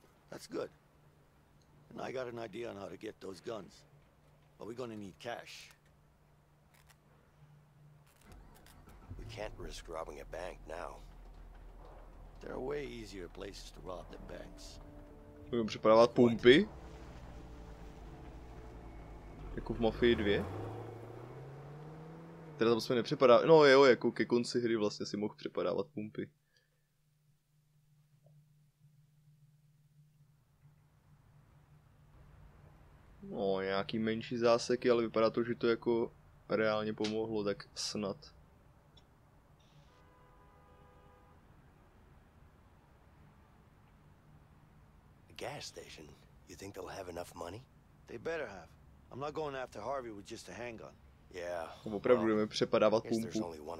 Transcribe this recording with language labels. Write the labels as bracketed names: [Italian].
[English] That's good. And I got an idea on how to get those guns. But we're gonna need cash. We can't risk robbing a bank now. There are way easier places to rob than banks. [Czech] Budeme připravovat pumpy? Jako v Mafii 2? Teda tam se mi nepřepadávat, no jo, jako ke konci hry vlastně si mohl přepadávat pumpy. No, nějaký menší záseky, ale vypadá to, že to jako reálně pomohlo, tak snad. [English] Gas station. You think they'll have enough money? They better have. I'm not going after Harvey with just a handgun. Yeah. [Czech] Opravdu budeme přepadávat pumpu.